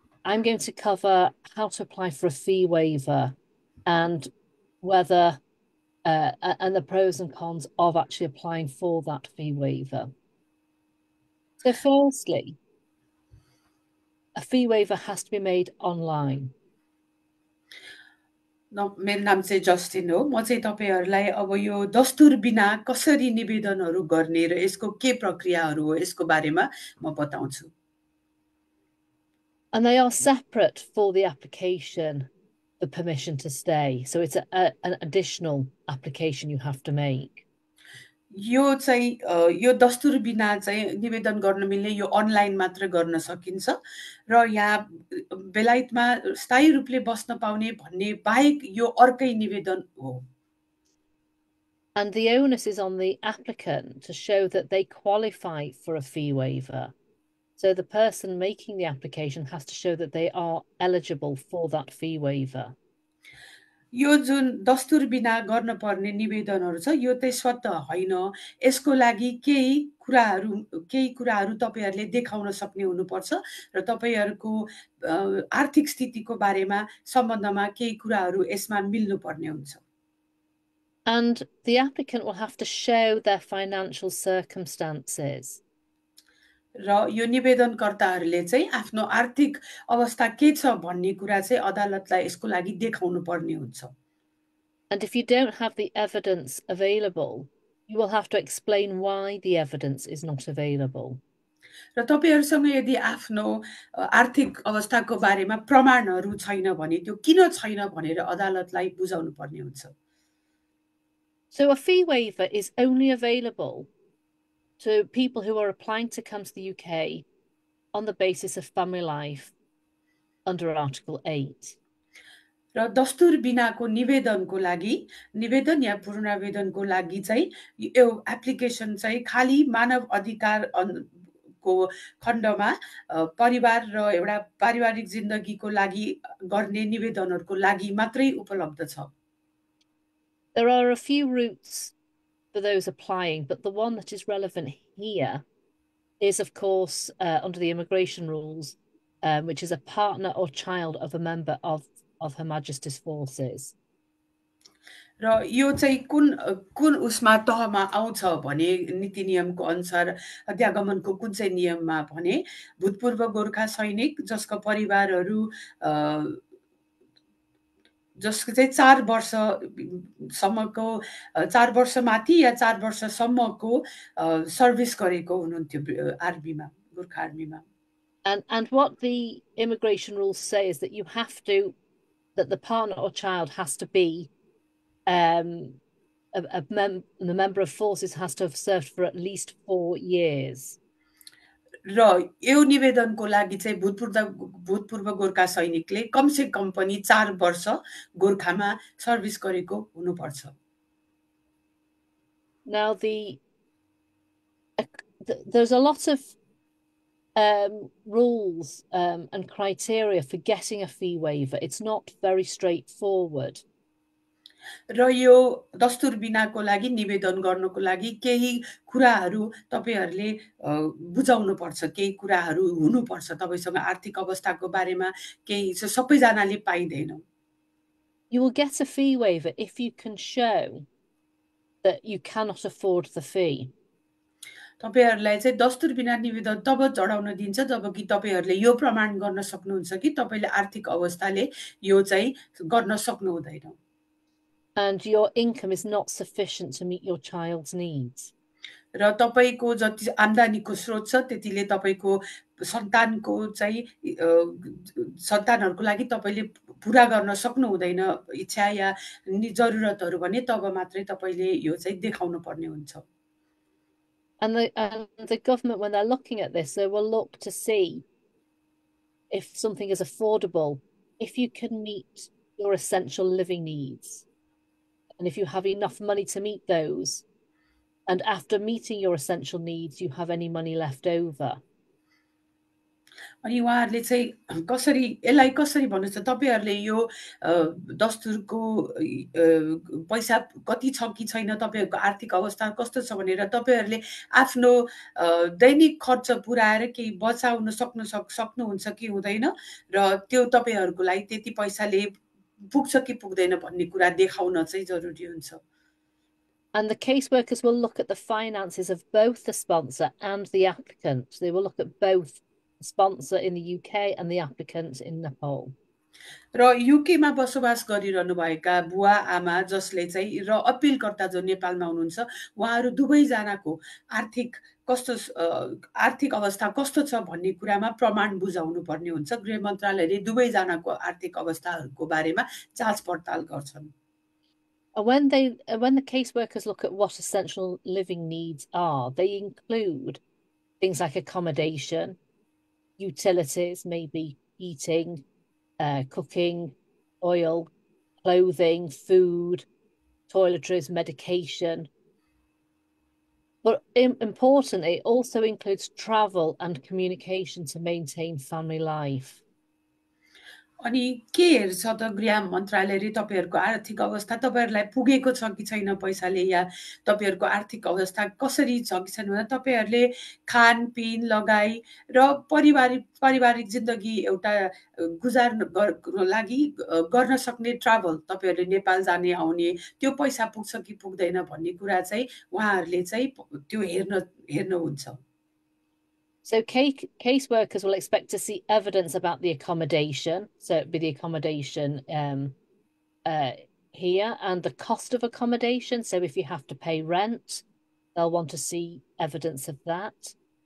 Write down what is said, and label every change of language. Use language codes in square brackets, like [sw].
[en] I'm going to cover how to apply for a fee waiver and whether and the pros and cons of actually applying for that fee waiver. So firstly, a fee waiver has to be made online. [ne] मेरो नाम चाहिँ Justin हो म चाहिँ तपाईँहरूलाई अब यो दस्तुर बिना कसरी निवेदनहरू गर्ने र यसको के प्रक्रियाहरू हो यसको बारेमा म बताउँछु। [en] And they are separate for the application, the permission to stay. So it's an additional application you have to make. [ne] यो चाहिँ यो दस्तुर बिना चाहिँ निवेदन गर्न मिल्ने यो अनलाइन मात्र गर्न सकिन्छ र यहाँ बेलायतमा स्थायी रूपले बस्न पाउने भन्ने बाहेक यो अर्कै निवेदन हो। [en] And the onus is on the applicant to show that they qualify for a fee waiver. So the person making the application has to show that they are eligible for that fee waiver. [ne] यो जुन दस्तुर बिना गर्न पर्ने निवेदनहरू छ यो चाहिँ स्वतः होइन यसको लागि केही कुराहरू तपाईँहरूले देखाउन सक्ने हुनुपर्छ र तपाईँहरूको आर्थिक स्थितिको बारेमा सम्बन्धमा केही कुराहरू यसमा मिल्नुपर्ने हुन्छ। [en] And the applicant will have to show their financial circumstances. [ne] र यो निवेदनकर्ताहरूले चाहिँ आफ्नो आर्थिक अवस्था के छ भन्ने कुरा चाहिँ अदालतलाई यसको लागि देखाउनु पर्ने हुन्छ। [en] And if you don't have the evidence available, you will have to explain why the evidence is not available. [ne] र तपाईँहरूसँग यदि आफ्नो आर्थिक अवस्थाको बारेमा प्रमाणहरू छैन भने त्यो किन छैन भनेर अदालतलाई बुझाउनु पर्ने हुन्छ। [en] So a fee waiver is only available to people who are applying to come to the UK on the basis of family life under Article 8. [ne] र दस्तुर बिनाको निवेदनको लागि निवेदन या पुनरावेदनको लागि चाहिँ यो एप्लिकेसन चाहिँ खालि मानव अधिकार को खण्डमा परिवार र एउटा पारिवारिक जिन्दगीको लागि गर्ने निवेदनहरूको लागि मात्रै उपलब्ध छ। [en] There are a few routes for those applying, but the one that is relevant here is, of course, under the immigration rules, which is a partner or child of a member of Her Majesty's forces. [ne] र यो चाहिँ कुन कुन उसमा तहमा आउँछ भने नीति नियमको अनुसार अध्यागमनको कुन चाहिँ नियममा भने भूतपूर्व गोर्खा सैनिक जसको परिवारहरू जसको चाहिँ 4 वर्षसम्मको 4 वर्षमाथि या 4 वर्षसम्मको सर्भिस गरेको हुनुहुन्थ्यो आर्मीमा गोर्खा आर्मीमा [en] And what the immigration rules say is that you have to, that the partner or child has to be the member of forces has to have served for at least 4 years. [ne] र यो निवेदनको लागि चाहिँ भूतपूर्व गोर्खा सैनिकले कमसे कम पनि 4 वर्ष गोर्खामा service गरेको हुनुपर्छ। [en] Now there's a lot of rules and criteria for getting a fee waiver. It's not very straightforward. [ne] र यो दस्तुर बिनाको लागि निवेदन गर्नको लागि केही कुराहरू तपाईँहरूले बुझाउनु पर्छ केही कुराहरू हुनुपर्छ तपाईँसँग आर्थिक अवस्थाको बारेमा केही सबैजनाले पाइँदैन [en] You will get a fee waiver if you can show that you cannot afford the fee. [ne] तपाईँहरूलाई चाहिँ दस्तुर बिना निवेदन तब चढाउन दिन्छ जब कि तपाईँहरूले यो प्रमाण गर्न सक्नुहुन्छ कि तपाईँले आर्थिक अवस्थाले यो चाहिँ गर्न सक्नुहुँदैन [en] And your income is not sufficient to meet your child's needs. [ne] र तपाईँको जति आम्दानीको स्रोत छ त्यतिले तपाईँको सन्तानको चाहिँ सन्तानहरूको लागि तपाईँले पुरा गर्न सक्नुहुँदैन इच्छा या जरुरतहरू भने तब मात्रै तपाईँले यो चाहिँ देखाउनु पर्ने हुन्छ [en] And the government, when they're looking at this, they will look to see if something is affordable, if you can meet your essential living needs. And if you have enough money to meet those, and after meeting your essential needs, you have any money left over. [ne] अनि उहाँहरूले चाहिँ कसरी यसलाई कसरी भन्नुहोस् त तपाईँहरूले यो दस्तुरको पैसा कति छ कि छैन तपाईँहरूको आर्थिक अवस्था कस्तो छ भनेर तपाईँहरूले आफ्नो दैनिक खर्च पुऱ्याएर केही बचाउन सक्नु सक्नुहुन्छ कि हुँदैन र त्यो तपाईँहरूको लागि त्यति पैसाले पुग्छ कि पुग्दैन भन्ने कुरा देखाउन चाहिँ जरुरी हुन्छ [en] And the caseworkers will look at the finances of both the sponsor and the applicant. They will look at both the sponsor in the UK and the applicant in Nepal. [ne] र युकेमा बसोबास गरिरहनुभएका बुवा आमा जसले चाहिँ र अपिलकर्ता जो नेपालमा हुनुहुन्छ उहाँहरू दुवैजनाको आर्थिक कस्तो आर्थिक अवस्था कस्तो छ भन्ने कुरामा प्रमाण बुझाउनु पर्ने हुन्छ गृह मन्त्रालयले दुवैजनाको आर्थिक अवस्थाहरूको बारेमा जाँच पडताल गर्छन् [en] When the caseworkers look at what essential living needs are, they include things like accommodation, utilities, maybe heating, cooking, oil, clothing, food, toiletries, medication. But importantly, it also includes travel and communication to maintain family life. [ne] अनि के हेर्छ त गृह मन्त्रालयले तपाईँहरूको आर्थिक अवस्था तपाईँहरूलाई पुगेको छ कि छैन पैसाले या तपाईँहरूको आर्थिक अवस्था कसरी छ कि छैन भन्दा तपाईँहरूले खानपिन लगाई र पारिवारिक जिन्दगी एउटा गुजार्न गर्नको लागि गर्न सक्ने ट्राभल तपाईँहरूले नेपाल जाने आउने त्यो पैसा पुग्छ कि पुग्दैन भन्ने कुरा चाहिँ उहाँहरूले चाहिँ त्यो हेर्नुहुन्छ [en] So caseworkers will expect to see evidence about the accommodation. So it'd be the accommodation here and the cost of accommodation. So if you have to pay rent, they'll want to see evidence of that.